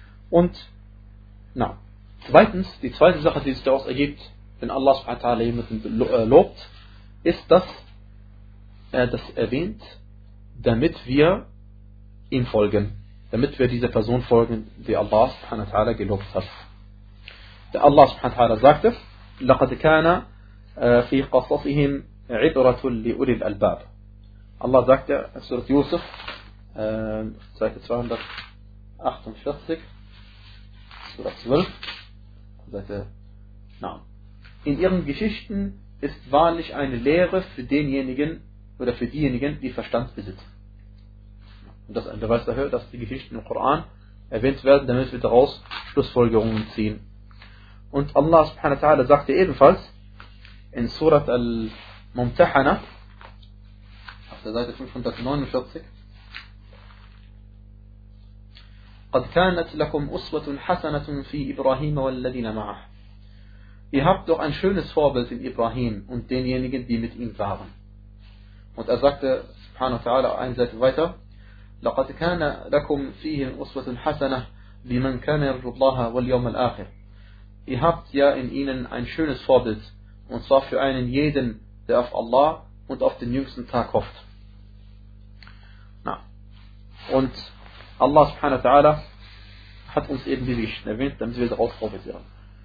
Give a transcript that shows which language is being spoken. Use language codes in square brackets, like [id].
[de] Und, na, zweitens, die zweite Sache, die sich daraus ergibt, wenn Allah subhanahu wa ta'ala jemanden lobt, ist, dass er das erwähnt, damit wir ihm folgen. Damit wir dieser Person folgen, die Allah subhanahu wa ta'ala gelobt hat. [ar] Der Allah subhanahu wa ta'ala sagte, لقد كان في قصصهم عبرة لأولي الألباب. [de] Allah sagte in Surah Yusuf, Seite 248, Surah 12, in ihren Geschichten ist wahrlich eine Lehre für denjenigen oder für diejenigen, die Verstand besitzen. Und das ist ein Beweis dafür, dass die Geschichten im Koran erwähnt werden, damit wir daraus Schlussfolgerungen ziehen. Und Allah subhanahu wa ta'ala sagte ebenfalls in Surat al-Mumtahana auf der Seite 549: [ar] قد كانت لكم أسوة حسنة في إبراهيم والذين معه. [de] Ihr habt doch ein schönes Vorbild in Ibrahim und denjenigen, die mit ihm waren. Und er sagte subhanahu wa ta'ala eine Seite weiter: [ar] لقد كان لكم فيهم أسوة حسنة لمن كان يرجو الله واليوم الآخر. [de] Ihr habt ja in ihnen ein schönes Vorbild, und zwar für einen jeden, der auf Allah und auf den jüngsten Tag hofft. Na. Und Allah subhanahu wa ta'ala hat uns eben diese Geschichten erwähnt, damit wir daraus profitieren.